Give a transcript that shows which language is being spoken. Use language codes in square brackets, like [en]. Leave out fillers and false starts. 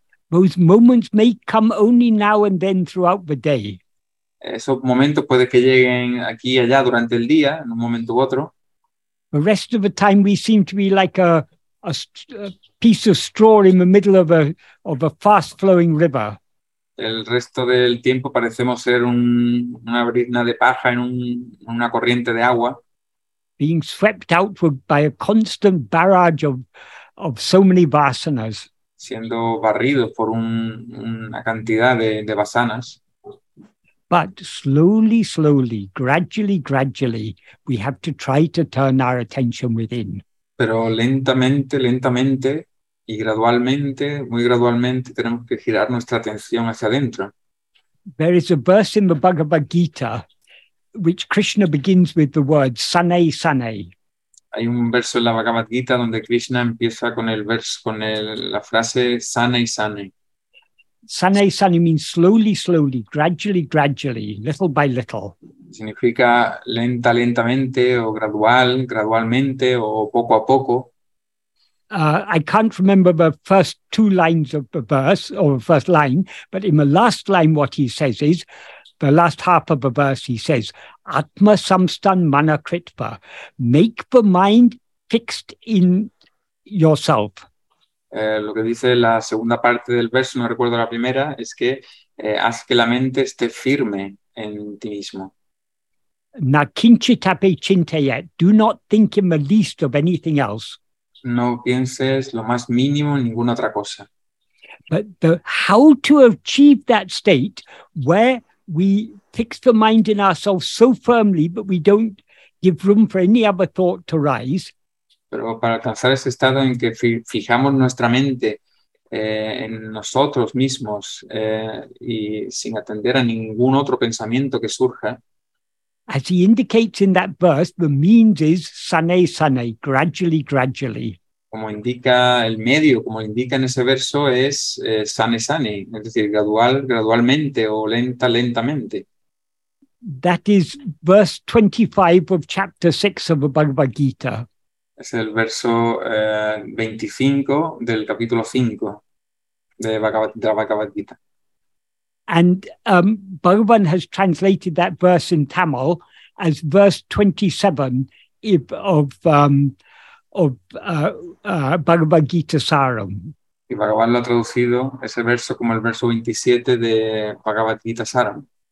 [en] Those moments may come only now and then throughout the day. [es] Esos momentos puede que lleguen aquí y allá durante el día, en un momento u otro. [en] The rest of the time we seem to be like a piece of straw in the middle of a fast-flowing river. [es] el resto del tiempo parecemos ser una brizna de paja en una corriente de agua. [en] Being swept outward by a constant barrage of so many vasanas. [es] Siendo barridos por una cantidad de vasanas. [en] But slowly, slowly, gradually, gradually, we have to try to turn our attention within. [es] Pero lentamente, lentamente, y gradualmente, muy gradualmente, tenemos que girar nuestra atención hacia adentro. [en] There is a verse in the Bhagavad Gita, which Krishna begins with the word sane sane. [es] Hay un verso en la Bhagavad Gita donde Krishna empieza con la frase sane sane. [en] Sane sane means slowly, slowly, gradually, gradually, little by little. [es] Significa lenta, lentamente, o gradual, gradualmente, o poco a poco. [en] I can't remember the first two lines of the verse, or the first line, but in the last line what he says is, the last half of the verse he says, [sa] Atma samstan mana kritpa, [en] make the mind fixed in yourself. [es] Lo que dice la segunda parte del verso, no recuerdo la primera, es que haz que la mente esté firme en ti mismo. [sa] Na kinchit ape chintayet, [en] do not think in the least of anything else. [es] No pienses lo más mínimo en ninguna otra cosa. [en] But how to achieve that state where we fix the mind in ourselves so firmly but we don't give room for any other thought to rise. [es] Pero para alcanzar ese estado en que fijamos nuestra mente en nosotros mismos y sin atender a ningún otro pensamiento que surja. [en] As he indicates in that verse, the means is sane, sane, gradually, gradually. [es] Como indica el medio, como indica en ese verso, es sane, sane, es decir, gradualmente o lenta, lentamente. [en] That is verse 25 of chapter 6 of the Bhagavad Gita. [es] Es el verso 25 del capítulo 5 de la Bhagavad Gita. [en] And Bhagavan has translated that verse in Tamil as verse 27 of Bhagavad Gita Saram. [es] Y Bhagavan lo ha traducido ese verso como el verso 27 de Bhagavad Gita Saram.